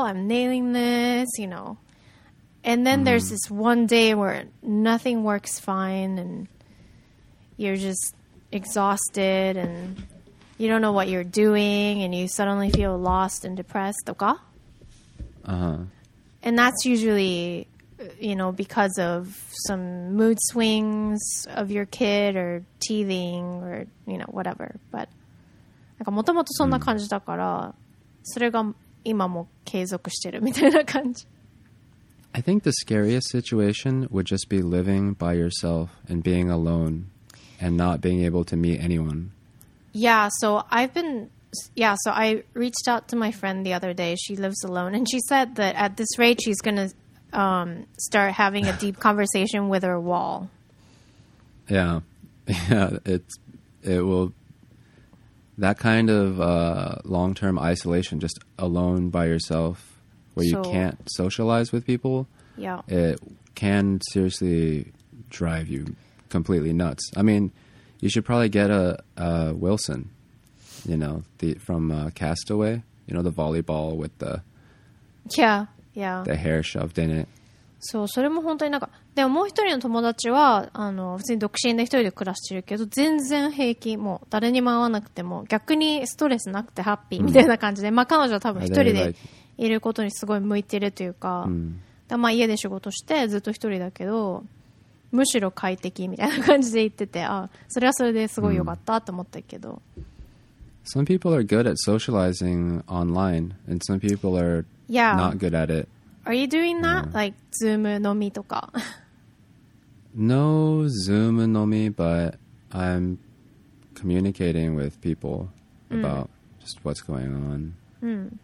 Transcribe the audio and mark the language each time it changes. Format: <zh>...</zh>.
<en>I'm nailing this, you know. And then there's this one day where nothing works fine and you're just exhausted and you don't know what you're doing and you suddenly feel lost and depressed. Uh-huh. And that's usually, you know, because of some mood swings of your kid or teething or, you know, whatever. But...</en> <ja>なんかもともとそんな感じだから、それが今も継続してるみたいな感じ。</ja> <en>I think the scariest situation would just be living by yourself and being alone and not being able to meet anyone. Yeah, so I've been... Yeah, so I reached out to my friend the other day. She lives alone and she said that at this rate she's going to start having a deep conversation with her wall. Yeah. Yeah, it will... That kind of long-term isolation, just alone by yourself, where you can't socialize with people, it can seriously drive you completely nuts. I mean, you should probably get a Wilson, you know, from Castaway, you know, the volleyball with the, the hair shoved in it.</en> <ja>そう、それも本当になんか、でももう一人の友達は、普通に独身で一人で暮らしてるけど、全然平気、もう誰にも会わなくても、逆にストレスなくてハッピーみたいな感じで、まあ彼女は多分一人でいることにすごい向いてるというか、でまあ家で仕事してずっと一人だけど、むしろ快適みたいな感じで言ってて、あ、それはそれですごい良かったと思ったけど。</ja> <en>Some people are good at socializing online, and some people are not good at it. Are you doing that? Like, Zoom</en> <ja>のみ</ja> <en>とか? No Zoom</en> <ja>のみ,</ja> <en>but I'm communicating with people about just what's going on.</en>